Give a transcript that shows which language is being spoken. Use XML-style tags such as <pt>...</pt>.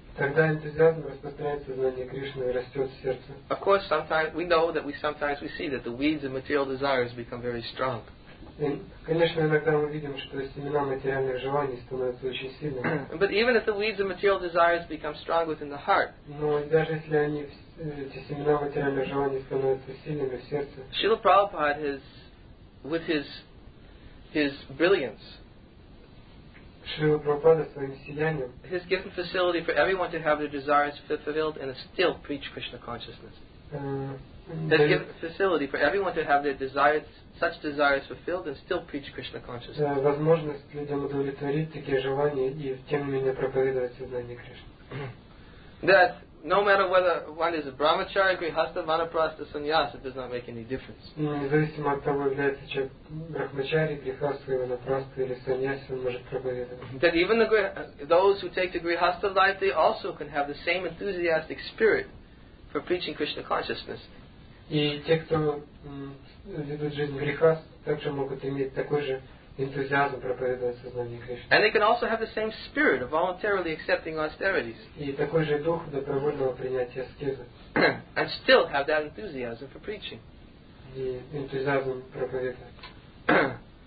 <ru>Тогда энтузиазм распространяется в сознании Кришны и растет в сердце.</ru> <en>Of course, sometimes we know that we see that the weeds of material desires become very strong.</en> <ru>Конечно, иногда мы видим, что семена материальных желаний становятся очень сильными.</ru> <en>But even if the weeds of material desires become strong within the heart,</en> <ru>но даже если они эти семена материальных желаний становятся сильными в сердце,</ru> <en>Шрила Прабхупада has, with his brilliance.</en> <ru>Шрила Прабхупада своим сиянием.</ru> <en>He's given facility for everyone to have their desires fulfilled and still preach Krishna consciousness. He's given facility for everyone to have their desires, such desires fulfilled and still preach Krishna consciousness.</en> <ru>Возможность людям удовлетворить такие желания и тем не менее проповедовать сознание Кришны.</ru> <en>That no matter whether one is a brahmachari, grihastha, vanaprastha, sannyas, it does not make any difference.</en> <ru>Независимо от того, является человек брахмачари, грихастха, ванапрастха или саньяси, он может проповедовать.</ru> <en>That even those who take the grihastha life, they also can have the same enthusiastic spirit for preaching Krishna consciousness.</en> <ru>И те, кто ведут жизнь грихастха, также могут иметь такой же энтузиазм проповедовать сознание Кришны.</ru> <en>And they can also have the same spirit of voluntarily accepting austerities.</en> <ru>И такой же дух добровольного принятия аскезы.</ru> <en>And still have that enthusiasm for preaching.</en> <ru>И энтузиазм проповедовать.</ru>